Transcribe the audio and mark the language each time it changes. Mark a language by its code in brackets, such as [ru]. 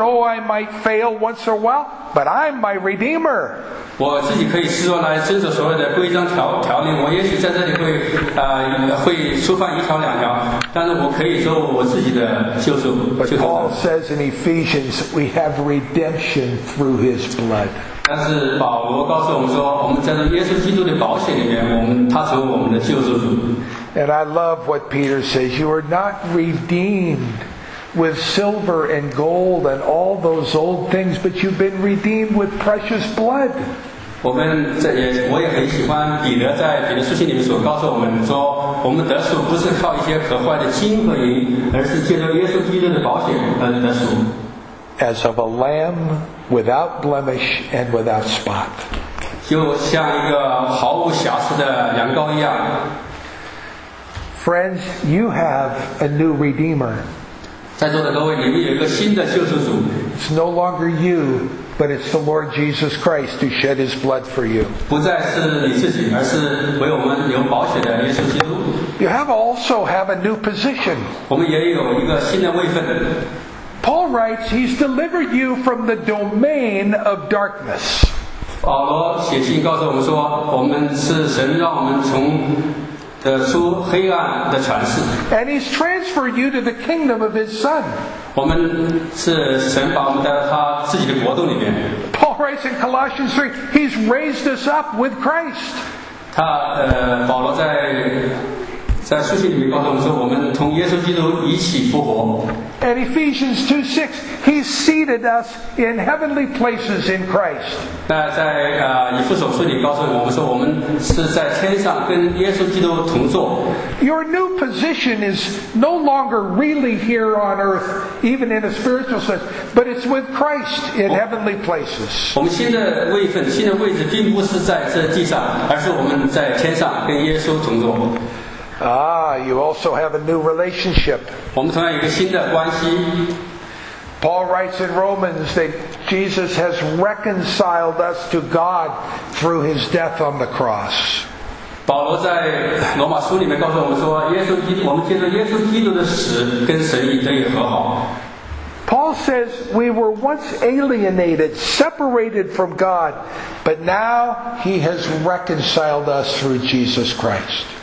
[en] Oh, I might fail once in a while, but I'm my Redeemer. [zh] 我自己可以施作来遵守所有的规章条例。我也许在这里会触犯一条两条。但是我可以做我自己的救赎。 [en] But Paul says in Ephesians we have redemption through His blood. [zh] 但是保罗告诉我们说，我们在这耶稣基督的宝血里面，他成为我们的救赎主。 [en] And I love what Peter says. You are not redeemed with silver and gold and all those old things, but you've been redeemed with precious blood. [zh] 我也很喜欢彼得在彼得书信里面所告诉我们说。我们得赎不是靠一些可坏的金和银，而是借着耶稣基督的宝血而得赎。 [en] As of a lamb without blemish and without spot， [zh] 就像一个毫无瑕疵的羊羔一样。 [en] Friends， you have a new Redeemer。 [zh] 在座的各位，你们有一个新的救赎主。 [en] It's no longer you， but it's the Lord Jesus Christ who shed His blood for you。 [zh] 不再是你自己，而是为我们流宝血的耶稣基督。 [en] You also have a new position. [zh] 我们也有一个新的位份。 [en] Paul writes, he's delivered you from the domain of darkness. [zh] 保罗写信告诉我们说，我们是神让我们从得出黑暗的权势。 [en] And he's transferred you to the kingdom of his son. [zh] 我们是神把我们带到他自己的国度里面。 [en] Paul writes in Colossians 3, he's raised us up with Christ. [zh] 他保罗在书信里面告诉我们说，我们同耶稣基督一起复活。 [en] And Ephesians 2:6, He seated us in heavenly places in Christ. [zh] 那在以弗所书里告诉我们说，我们是在天上跟耶稣基督同坐。 [en] Your new position is no longer really here on earth, even in a spiritual sense, but it's with Christ in heavenly places. [zh] 我们新的位份、新的位置，并不是在这地上，而是我们在天上跟耶稣同坐。 [en] Ah, you also have a new relationship. [zh] 我们同样有一个新的关系。 [en] Paul writes in Romans that Jesus has reconciled us to God through His death on the cross. [zh] 保罗在罗马书里面告诉我们说，我们借着耶稣基督的死跟神得以和好。 [en] Paul says we were once alienated, separated from God, but now He has reconciled us through Jesus Christ.